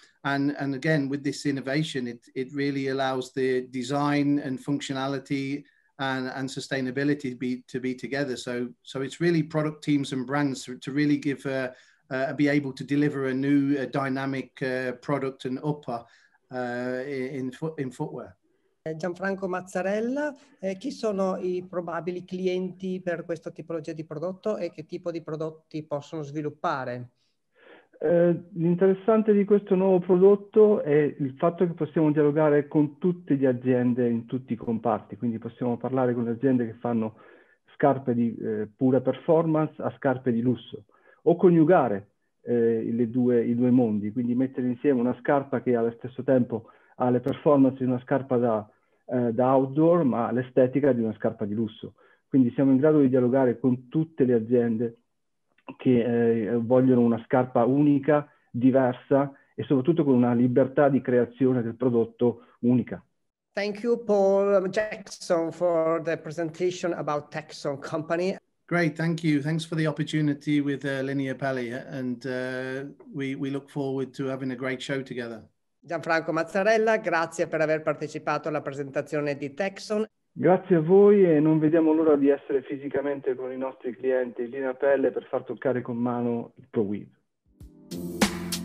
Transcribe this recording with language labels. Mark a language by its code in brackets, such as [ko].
[en] And again, with this innovation, it really allows the design and functionality and sustainability to be together. So it's really product teams and brands to really give be able to deliver a new dynamic product and upper in footwear. [it] Gianfranco Mazzarella, chi sono I probabili clienti per questo tipologia di prodotto e che tipo di prodotti possono sviluppare? L'interessante di questo nuovo prodotto è il fatto che possiamo dialogare con tutte le aziende in tutti I comparti, quindi possiamo parlare con le aziende che fanno scarpe di pura performance a scarpe di lusso, o coniugare i due mondi, quindi mettere insieme una scarpa che allo stesso tempo ha le performance di una scarpa da outdoor, ma l'estetica di una scarpa di lusso. Quindi siamo in grado di dialogare con tutte le aziende che vogliono una scarpa unica, diversa e soprattutto con una libertà di creazione del prodotto unica. [en] Thank you, Paul Jackson, for the presentation about Texon Company. Great, thank you. Thanks for the opportunity with Linea Pelli, and we look forward to having a great show together. [it] Gianfranco Mazzarella, grazie per aver partecipato alla presentazione di Texon. Grazie a voi e non vediamo l'ora di essere fisicamente con I nostri clienti in linea pelle per far toccare con mano il Pro Weave.